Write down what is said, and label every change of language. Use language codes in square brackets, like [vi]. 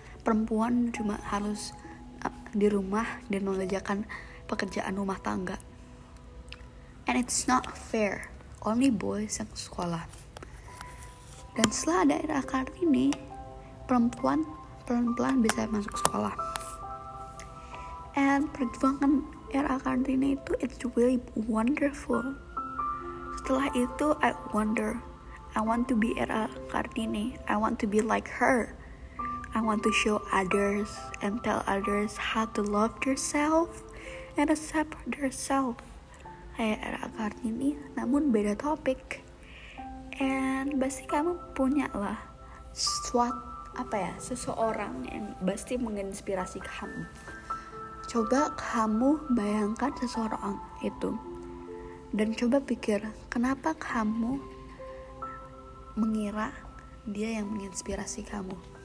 [id] Perempuan cuma harus di rumah dan mengerjakan pekerjaan rumah tangga. [en] And it's not fair. Only boys [id] yang sekolah. Dan setelah ada era Kartini, perempuan pelan-pelan bisa masuk sekolah. [en] And [id] perjuangan era Kartini itu, [en] it's really wonderful. [id] Setelah itu, [en] I want to be era Kartini. I want to be like her. I want to show others and tell others how to love yourself and accept yourself. [id] Kayak era Kartini, namun beda topik. [en] And [id] pasti kamu punya lah seseorang yang pasti menginspirasi kamu. Coba kamu bayangkan seseorang itu dan coba pikir kenapa kamu mengira dia yang menginspirasi kamu.